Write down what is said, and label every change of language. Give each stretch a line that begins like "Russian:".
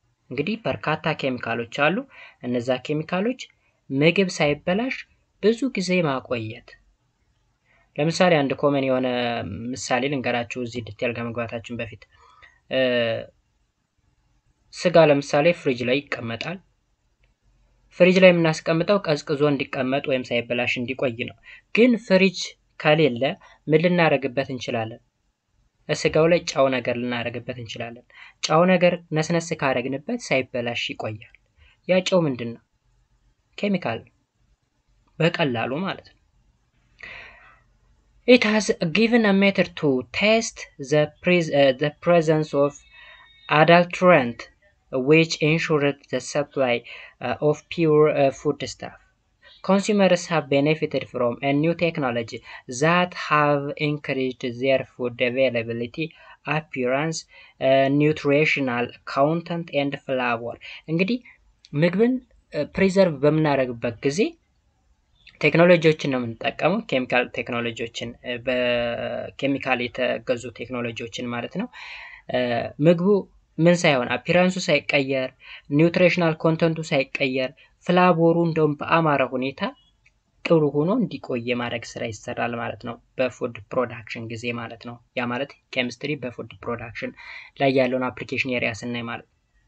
Amharic: እንግዲህ በርካታ ኬሚካሎች አሉ። እነዛ ኬሚካሎች ምግብ ሳይበላሽ ብዙ ጊዜ ማቆየት። ለምሳሌ አንድ ኮመን የሆነ ምሳሌ ልንገራችሁ እዚህ ዲቴል ከመግባታችን በፊት ስጋ ለምሳሌ ፍሪጅ ላይ ይቀመጣል። ፍሪጅ ላይ እናስቀምጣው ቀዝቅዞ እንዲቀመጥ ወይም ሳይበላሽ እንዲቆይ ነው። ግን ፍሪጅ ካለለ ምን ልናረግበት እንችላለን? ስጋው ላይ ጫው ነገር ልናረግበት እንችላለን። ጫው ነገር ነስነስ ካረግንበት ሳይበላሽ ይቆያል። ያ ጫው ምንድነው? ኬሚካል በቀላሉ ማለት ነው።
English: It has given a method to test the presence of adulterant which ensured the supply of pure foodstuff. Consumers have benefited from a new technology that have increased their food availability, appearance, nutritional content and flavor.
Amharic: እንግዲህ ምግብን ፕሪዘርቭ በመናረግበት ጊዜ ቴክኖሎጂዎችን ነው የምንጠቀመው። ኬሚካል ቴክኖሎጂዎችን በኬሚካል የተገዙ ቴክኖሎጂዎችን ማለት ነው። ምግቡ ምን ሳይሆን አፒራንሱ ሳይቀየር ኒውትሪሽናል ኮንተንቱ ሳይቀየር ፍላቮሩ እንደውም በአማረ ሁኔታ ጥሩ ሆኖ እንዲቆይ ማድረግ ስራ ይሰራል ማለት ነው። በፉድ ፕሮዳክሽን ጊዜ ማለት ነው። ያ ማለት ኬሚስትሪ በፉድ ፕሮዳክሽን ላይ ያለውን አፕሊኬሽን ኤሪያ ስናይ ማለት ነው።